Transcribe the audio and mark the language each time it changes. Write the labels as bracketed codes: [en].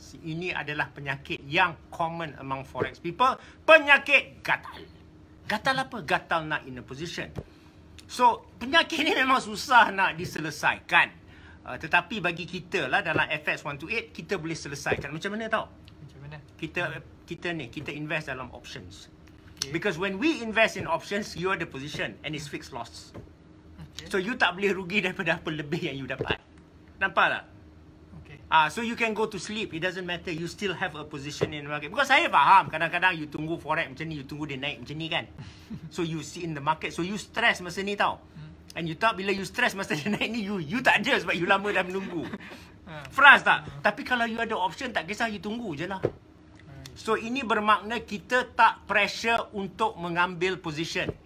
[ms] Ini adalah penyakit yang [en] common among forex people. [ms] Penyakit gatal. Gatal apa? Gatal nak [en] in a position. [ms] So, penyakit ni memang susah nak diselesaikan. Tetapi bagi kita lah dalam FX 128, kita boleh selesaikan. Macam mana tau? Macam mana? Kita invest dalam options. Okay. [en] Because when we invest in options, you are the position and it's fixed loss. [ms] Okay. So you tak boleh rugi daripada apa lebih yang you dapat. Nampak tak? Okay. [en] So you can go to sleep. It doesn't matter. You still have a position in the market. [ms] Because saya faham, kadang-kadang you tunggu forex macam ni, you tunggu dia naik macam ni kan. [en] So you see in the market. [ms] So you stress masa ni tau. And you tahu bila you stress masa dia naik ni, you tak ada sebab you lama dah menunggu. Frust tak? Tapi kalau you ada option, tak kisah, you tunggu je lah. So ini bermakna kita tak pressure untuk mengambil position.